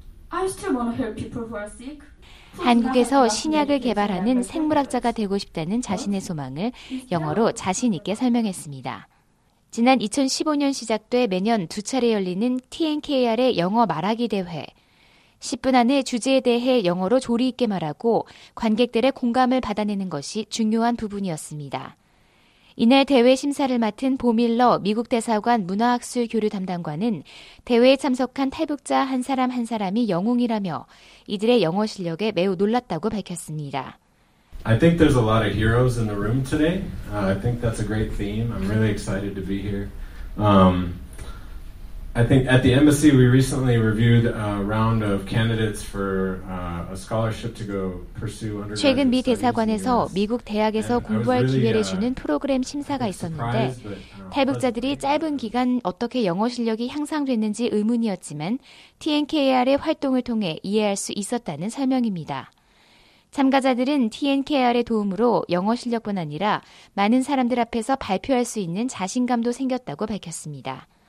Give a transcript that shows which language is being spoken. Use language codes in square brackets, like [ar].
[en] I still want to help people who are sick. [ko] 한국에서 신약을 개발하는 생물학자가 되고 싶다는 자신의 소망을 영어로 자신 있게 설명했습니다. 지난 2015년 시작돼 매년 두 차례 열리는 TNKR의 영어 말하기 대회. 10분 안에 주제에 대해 영어로 조리 있게 말하고 관객들의 공감을 받아내는 것이 중요한 부분이었습니다. 이날 대회 심사를 맡은 보밀러 미국 대사관 문화학술 교류 담당관은 대회에 참석한 탈북자 한 사람 한 사람이 영웅이라며 이들의 영어 실력에 매우 놀랐다고 밝혔습니다. [en] I think there's a lot of heroes in the room today. I think that's a great theme. I'm really excited to be here. I think at the embassy we recently reviewed a round of candidates for a scholarship to go pursue undergraduate. [ko] 최근 미 대사관에서 미국 대학에서 공부할 기회를 주는 프로그램 심사가 있었는데 탈북자들이 짧은 기간 어떻게 영어 실력이 향상됐는지 의문이었지만 TNKR의 활동을 통해 이해할 수 있었다는 설명입니다. 참가자들은 TNKR의 도움으로 영어 실력뿐 아니라 많은 사람들 앞에서 발표할 수 있는 자신감도 생겼다고 밝혔습니다.